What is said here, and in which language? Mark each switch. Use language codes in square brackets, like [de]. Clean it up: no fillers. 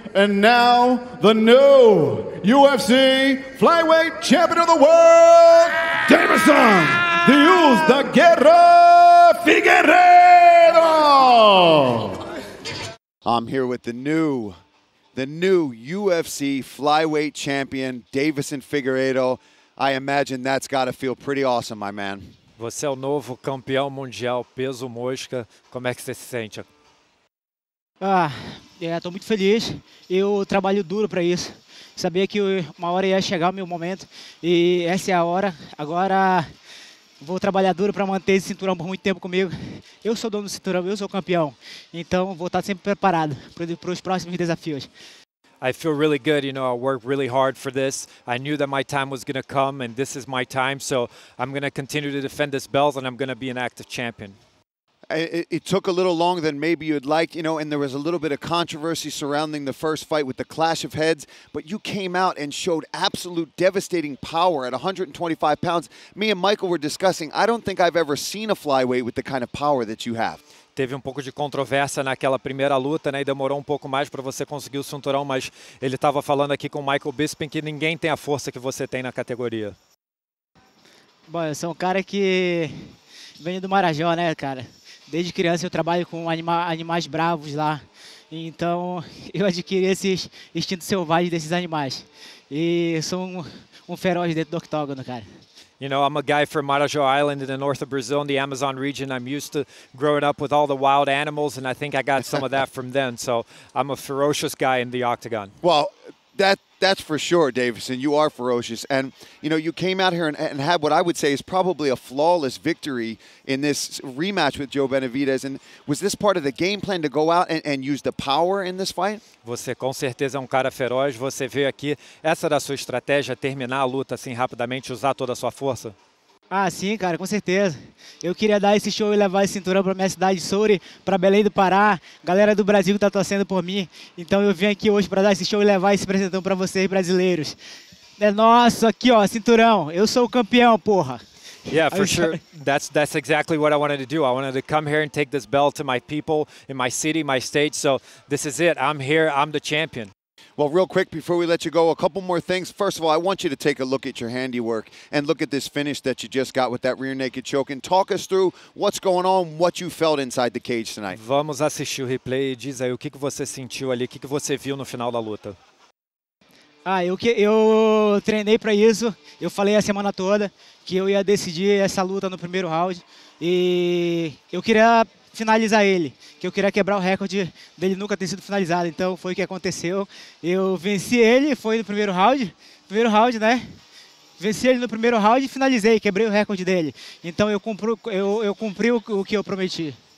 [en] And now, the new UFC Flyweight Champion of the World, Davison, the Uz, the Guerra Figueiredo! I'm here with the new UFC Flyweight Champion, Davison Figueiredo. I imagine that's got to feel pretty awesome, my man. [pt] Você é o novo campeão mundial peso mosca. Como é que você se sente? Estou muito feliz. Eu trabalho duro para isso. Sabia que uma hora ia chegar o meu momento e essa é a hora. Agora vou trabalhar duro para manter esse cinturão por muito tempo comigo. Eu sou dono do cinturão, eu sou campeão. Então vou estar sempre preparado para os próximos desafios. [en] I feel really good, you know, I worked really hard for this. I knew that my time was going to come and this is my time, so I'm going to continue to defend this belt and I'm going to be an active champion. It took a little longer than maybe you'd like, you know, and there was a little bit of controversy surrounding the first fight with the clash of heads, but you came out and showed absolute devastating power at 125 pounds. Me and Michael were discussing, I don't think I've ever seen a flyweight with the kind of power that you have. [pt] Teve um pouco de controvérsia naquela primeira luta, né? E demorou um pouco mais para você conseguir o cinturão, mas ele estava falando aqui com o Michael Bisping que ninguém tem a força que você tem na categoria. Bom, eu sou um cara que venho do Marajó, né, cara? Desde criança eu trabalho com animais bravos lá. Então eu adquiri esses instintos selvagens desses animais. E sou um feroz dentro do octógono, cara. [en] You know, I'm a guy from Marajó Island in the north of Brazil, in the Amazon region. I'm used to growing up with all the wild animals, and I think I got some of that from them. So I'm a ferocious guy in the octagon. Well, that's for sure, Davison. You are ferocious. And, you know, you came out here and had what I would say is probably a flawless victory in this rematch with Joe Benavidez. And was this part of the game plan to go out and use the power in this fight? [pt] Você com certeza é um cara feroz. Você veio aqui. Essa era a sua estratégia, terminar a luta assim rapidamente, usar toda a sua força? Ah, sim, cara, com certeza. Eu queria dar esse show e levar esse cinturão para minha cidade de Souri, para Belém do Pará. Galera do Brasil que está torcendo por mim. Então eu vim aqui hoje para dar esse show e levar esse presentão para vocês, brasileiros. É nosso aqui, ó, cinturão. Eu sou o campeão, porra. [en] Yeah, for sure. That's exactly what I wanted to do. I wanted to come here and take this belt to my people, in my city, my state. So this is it. I'm here. I'm the champion. Well, real quick, before we let you go, a couple more things. First of all, I want you to take a look at your handiwork and look at this finish that you just got with that rear naked choke. And talk us through what's going on, what you felt inside the cage tonight. [pt] Vamos assistir o replay e diz aí o que você sentiu ali, o que você viu no final da luta. Ah, eu treinei para isso. Eu falei a semana toda que eu ia decidir essa luta no primeiro round. E eu queria finalizar ele, que eu queria quebrar o recorde dele nunca ter sido finalizado, então foi o que aconteceu, eu venci ele, foi no primeiro round, né, venci ele no primeiro round e finalizei, quebrei o recorde dele, então eu cumpri o que eu prometi.